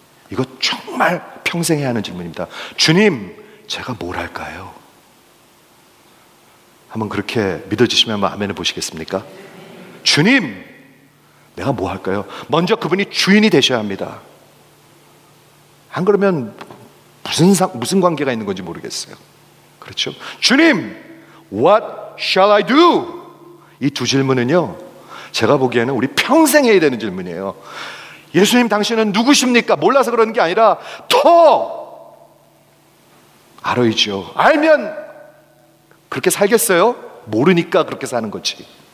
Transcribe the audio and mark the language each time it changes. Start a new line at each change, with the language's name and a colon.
Korean: 이거 정말 평생 해야 하는 질문입니다. 주님, 제가 뭘 할까요? 한번 그렇게 믿어주시면 한번 아멘을 보시겠습니까? 주님, 내가 뭐 할까요? 먼저 그분이 주인이 되셔야 합니다. 안 그러면 무슨 관계가 있는 건지 모르겠어요. 그렇죠? 주님,
English: What shall I do?
Korean: 이 두 질문은요, 제가 보기에는 우리 평생 해야 되는 질문이에요. 예수님, 당신은 누구십니까? 몰라서 그러는 게 아니라 더 알아야죠. 알면 그렇게 살겠어요? 모르니까 그렇게 사는 거지.